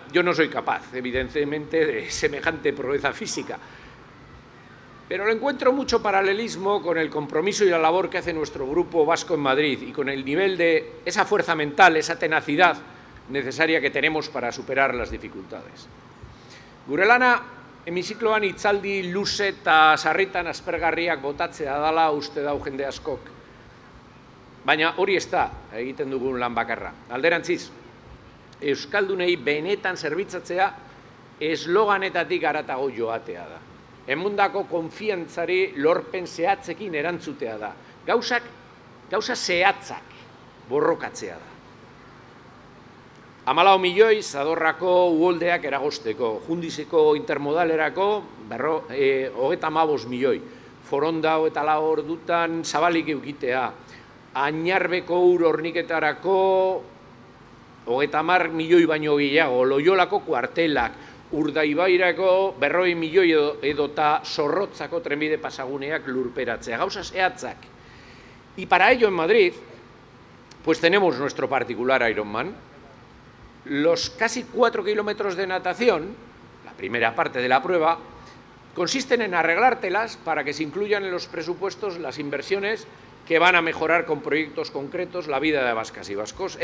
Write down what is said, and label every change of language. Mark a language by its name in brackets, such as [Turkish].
[Spanish] Yo no soy capaz, evidentemente, de semejante proeza física. Pero lo encuentro mucho paralelismo con el compromiso y la labor que hace nuestro grupo vasco en Madrid y con el nivel de esa fuerza mental, esa tenacidad necesaria que tenemos para superar las dificultades. [Basque] Gure lana, hemizikloan itzaldi luze eta sarritan aspergarriak botatzea dela uste dau jende askok. Baina hori ez da egiten dugun lan bakarra. Alderantziz, euskaldunei benetan zerbitzatzea esloganetatik haratago joatea da. Emundako konfiantzari lorpen zehatzekin erantzutea da. Gauza zehatzak borrokatzea da. 14 milioi Zadorrako uholdeak eragosteko, Jundizeko intermodalerako 35 milioi, Foronda 24 ordutan zabalik eukitea, Ainarbeko ur horniketarako 30 milioi baino gehiago, Loiolako kuartelak, Urdaibairako 40 milioi edota Zorrotzako trenbide pasaguneak lurperatzea, gauza zehatzak. [Spanish] Y para ello en Madrid, pues tenemos nuestro particular Ironman. Los casi 4 kilómetros de natación, la primera parte de la prueba, consisten en arreglártelas para que se incluyan en los presupuestos las inversiones que van a mejorar con proyectos concretos la vida de vascas y vascos.